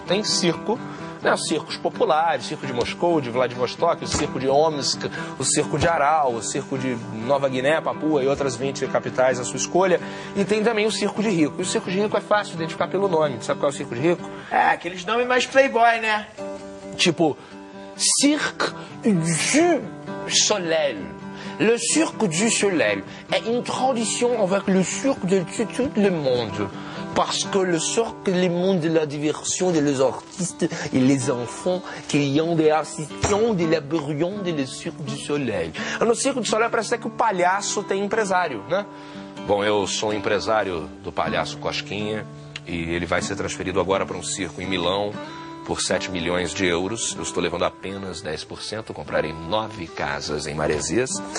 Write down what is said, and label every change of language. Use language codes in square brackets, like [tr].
[pt] Tem circo, né, circos populares, circo de Moscou, de Vladivostok, o circo de Omsk, o circo de Aral, o circo de Nova Guiné, Papua e outras 20 capitais à sua escolha. E tem também o circo de rico. E o circo de rico é fácil identificar pelo nome. Sabe qual é o circo de rico? É, aqueles nomes mais playboy, né? Tipo, Cirque du Soleil. [fr] Le Cirque du Soleil est une tradition avec le cirque de tout le monde. Parce que le cirque, le monde de la diversion, de les artistes et les enfants qui ont des assistants, de la brillante, de le Cirque du Soleil. [pt] No Cirque du Soleil, parece que o palhaço tem empresário, né? Bom, eu sou empresário do palhaço Cosquinha e ele vai ser transferido agora para um circo em Milão. Por 7 milhões de euros, eu estou levando apenas 10%, comprarei 9 casas em Maresias.